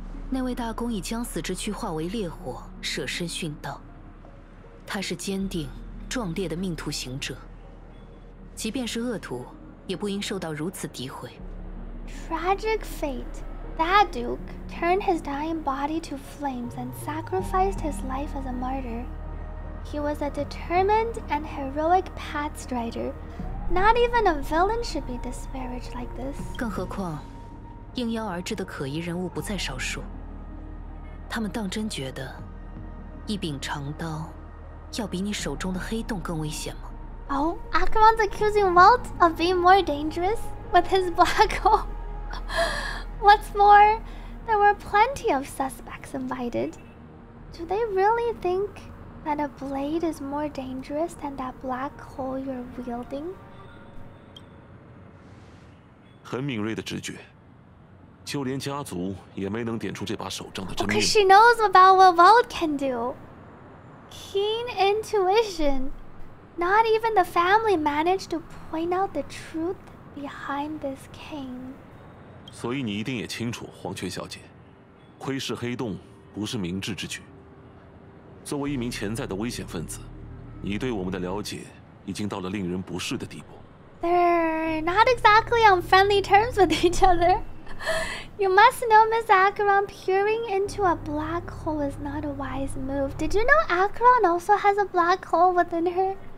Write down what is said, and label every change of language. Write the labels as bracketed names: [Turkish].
[Chinese] 那位大公以将死之躯化为烈火，舍身殉道。他是坚定、壮烈的命途行者。即便是恶徒，也不应受到如此诋毁。 [English] Tragic fate. That Duke turned his dying body to flames and sacrificed his life as a martyr. He was a determined and heroic path strider. Not even a villain should be disparaged like this. [Chinese] 更何况，应邀而至的可疑人物不在少数。他们当真觉得，一柄长刀，要比你手中的黑洞更危险吗 [English] ？Oh, Acheron's accusing Walt of being more dangerous with his black hole. What's more, there were plenty of suspects invited. Do they really think? That a blade is more dangerous than that black hole you're wielding? [Chinese] 很敏锐的直觉，就连家族也没能点出这把手杖的真面目。 [English] Because she knows about what Walt can do. Keen intuition. Not even the family managed to point out the truth behind this cane. [Chinese] 所以你一定也清楚，黄泉小姐，窥视黑洞不是明智之举。作为一名潜在的危险分子，你对我们的了解已经到了令人不适的地步。 [English] They're not exactly on friendly terms with each other. You must know Miss Acheron, peering into a black hole is not a wise move. Did you know Acheron also has a black hole within her?